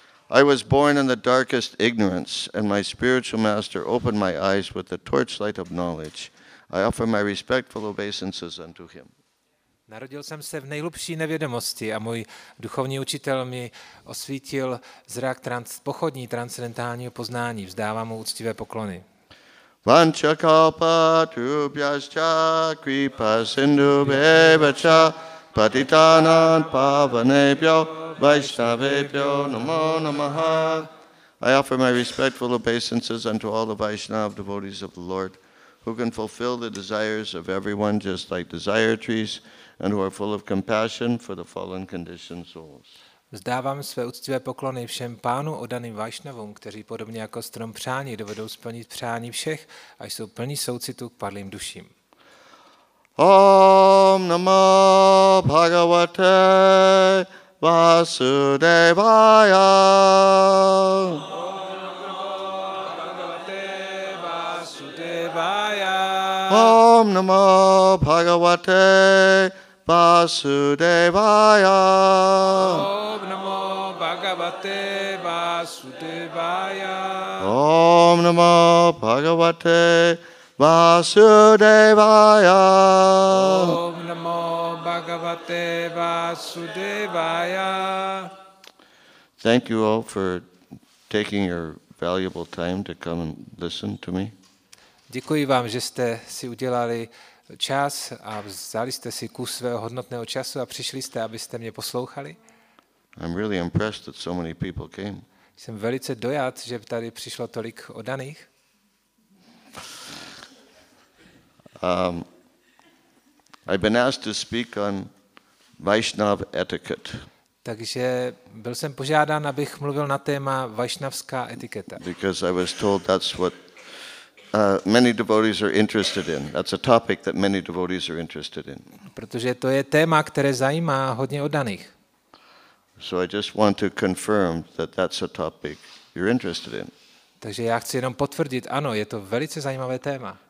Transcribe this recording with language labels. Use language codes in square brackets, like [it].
[en] I was born in the darkest ignorance, and my spiritual master opened my eyes with the torchlight of knowledge. I offer my respectful obeisances unto him. [cs] Narodil jsem se v nejhlubší nevědomosti a můj duchovní učitel mi osvítil zrak pochodní transcendentálního poznání. Vzdávám mu úctivé poklony. [sa] Vancha kalpa trubhyascha kripa sindhubhyeva cha patitanam pavanebhyo vaishnavebhyo namo namaha. [en] I offer my respectful obeisances unto all the Vaishnava devotees of the Lord who can fulfill the desires of everyone just like desire trees and who are full of compassion for the fallen conditioned souls. [cs] Vzdávám své úctivé poklony všem pánům oddaným Vaishnavům, kteří podobně jako strom přání dovedou splnit přání všech a jsou plní soucitu k padlým duším. [sa] Om namo bhagavate vasudevaya. Om namo bhagavate vasudevaya. Om namo bhagavate vasudevaya. Om namo bhagavate vasudevaya. Om namo bhagavate vasudevaya. [en] Thank you all for taking your valuable time to come and listen to me. [cs] Děkuji vám, že jste si udělali čas a vzali jste si kus svého hodnotného času a přišli jste, abyste mě poslouchali. [en] I'm really impressed that so many people came. [cs] Jsem velice dojat, že tady přišlo tolik oddaných. [en] I've been asked to speak on Vaishnav etiquette. [cs] Takže byl jsem požádán, abych mluvil na téma vaishnavská etiketa. [en] Because I was told that's what many devotees are interested in. That's a topic that many devotees are interested in. [cs] Protože to je téma, které zajímá hodně oddaných. [en] So I just want to confirm that that's a topic you're interested in. [cs] Takže já chci jenom potvrdit, ano, je to velice zajímavé téma.